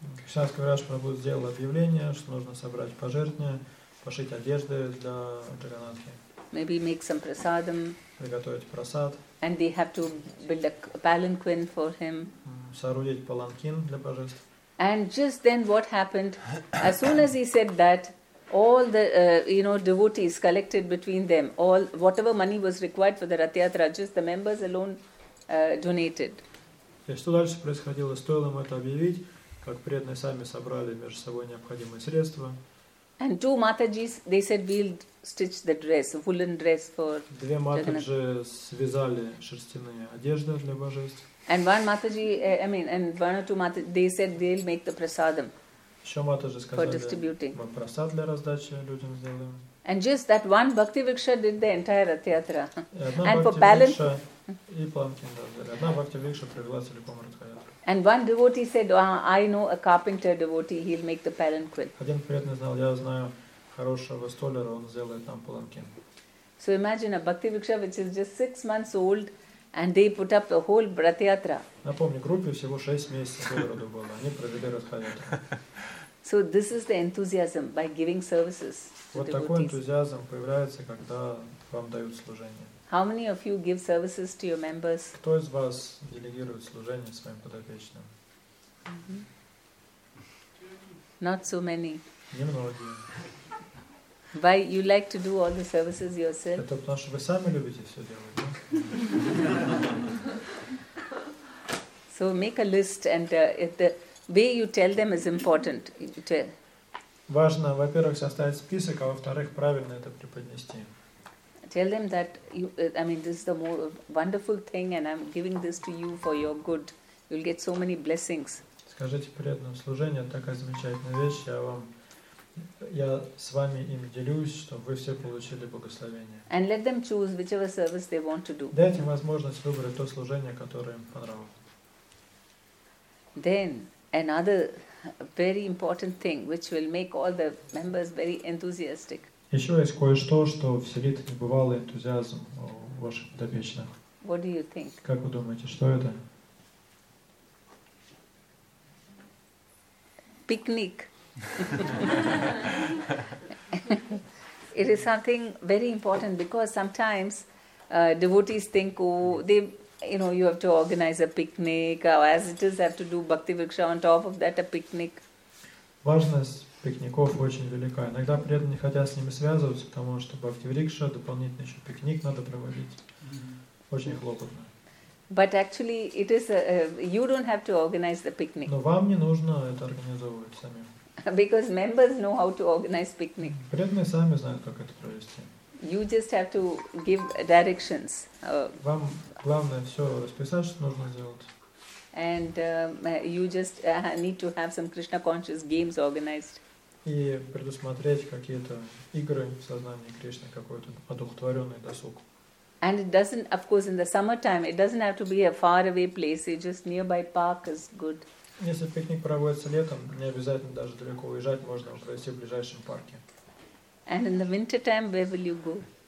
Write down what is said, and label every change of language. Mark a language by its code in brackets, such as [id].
[ru] Кришнадас Кавирадж Прабху сделал объявление, что нужно собрать пожертвования. Пошить одежды для Джаганатхи. [en] Maybe make some prasadam. [ru] Приготовить прасад. [en] And they have to build a palanquin for him. [ru] Соорудить паланкин для божеств. [en] And just then what happened? As soon as he said that, all the devotees collected between them, all whatever money was required for the ratha-yatra, just the members alone donated. [ru] И что дальше происходило? Стоило ему это объявить, как преданные сами собрали между собой необходимые средства. [en] And two Matajis, they said, we'll stitch the dress, a woolen dress for Jagannath. [ru] Две Матаджи связали шерстяные одежды для божеств. [en] And one Mataji, one or two Mataji, they said, they'll make the prasadam. [ru] Еще Матаджи сказали, мы прасад для раздачи людям сделаем. [en] And just that one Bhakti Viksha did the entire Ratha-yatra. And for balance. [ru] И планкин, да. Одна Бхакти Викша привела целиком ратха-ятру. [en] And one devotee said, I know a carpenter devotee, he'll make the palanquin. [ru] Один преданный знал, я знаю хорошего столяра, он сделает там паланкин. [en] So imagine a Bhakti Viksha which is just 6 months old and they put up the whole ratha-yatra. [ru] Напомню, группе всего 6 месяцев городу было, они провели ратха-ятру. [en] So this is the enthusiasm by giving services to devotees. [ru] Вот такой энтузиазм появляется, когда вам дают служение. [en] How many of you give services to your members? [ru] Кто из вас делегирует служение своим подопечным? Mm-hmm. [en] Not so many. [ru] Немногие. [en] Why you like to do all the services yourself? [ru] Это потому что вы сами любите все делать, да? [en] So make a list and if the way you tell them is important. You tell. [ru] Важно, во-первых, составить список, а во-вторых, правильно это преподнести. [en] Tell them that you, I mean, this is the most wonderful thing, and I'm giving this to you for your good. You'll get so many blessings. [ru] Скажите преданным, служение такая замечательная вещь, я вам, я с вами им делюсь, чтобы вы все получили благословение. [en] And let them choose whichever service they want to do. [ru] Дайте им возможность выбрать то служение, которое им понравилось. [en] Then another very important thing, which will make all the members very enthusiastic. [ru] Еще есть кое-что, что вселит небывалый энтузиазм в ваших подопечных. [en] What do you think? [ru] Как вы думаете, что это? [en] Picnic. It is something very important because sometimes devotees think, you have to organize a picnic, as it is, have to do bhakti viksha on top of that, a picnic. [ru] Важность пикников очень велика. Иногда преданные хотят с ними связываться, потому что бхакти врикша, дополнительно еще пикник надо проводить. Очень хлопотно. [en] But actually, it is a, you don't have to organize the picnic. [ru] Но вам не нужно это организовывать самим. [en] Because members know how to organize picnic. [ru] Преданные сами знают, как это провести. [en] You just have to give directions. [ru] Вам главное все расписать, что нужно сделать. [en] And you just need to have some Krishna conscious games organized. [ru] И предусмотреть какие-то игры в сознании Кришны, какой-то одухотворенный досуг. [en] And it doesn't, of course, in the summertime, it doesn't have to be a far away place. It's just nearby park is good. [ru] Если пикник проводится летом, не обязательно даже далеко уезжать, можно провести в ближайшем парке. [en] And in the winter time, where will you go?